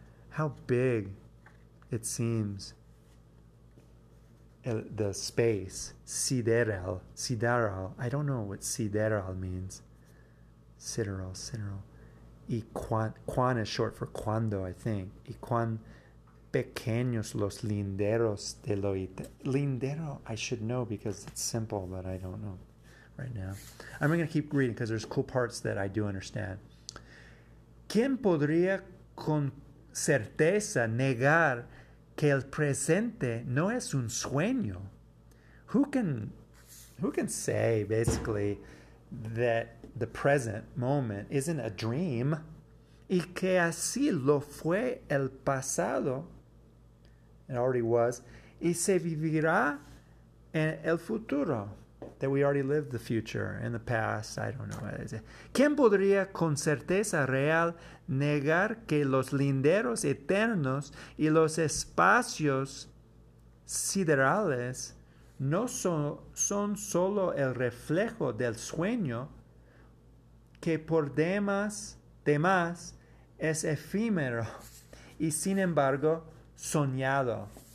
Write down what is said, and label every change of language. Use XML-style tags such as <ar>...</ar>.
<en>How big it seems. The space. Sideral. Sideral. I don't know what sideral means. Sideral. Y cuan is short for cuando, I think.</en> <es>Y cuan pequeños los linderos de lo lindero.</es> <en>I should know because it's simple, but I don't know right now. I'm going to keep reading because there's cool parts that I do understand.</en> <es>¿Quién podría con certeza negar que el presente no es un sueño?</es> <en>Who can say basically that the present moment isn't a dream?</en> <es>Y que así lo fue el pasado.</es> <en>It already was.</en> <es>Y se vivirá en el futuro.</es> <en>That we already lived the future and the past. I don't know what it is.</en> <es>¿Quién podría con certeza real negar que los linderos eternos y los espacios siderales no son solo el reflejo del sueño que por demás es efímero y sin embargo soñado?</es>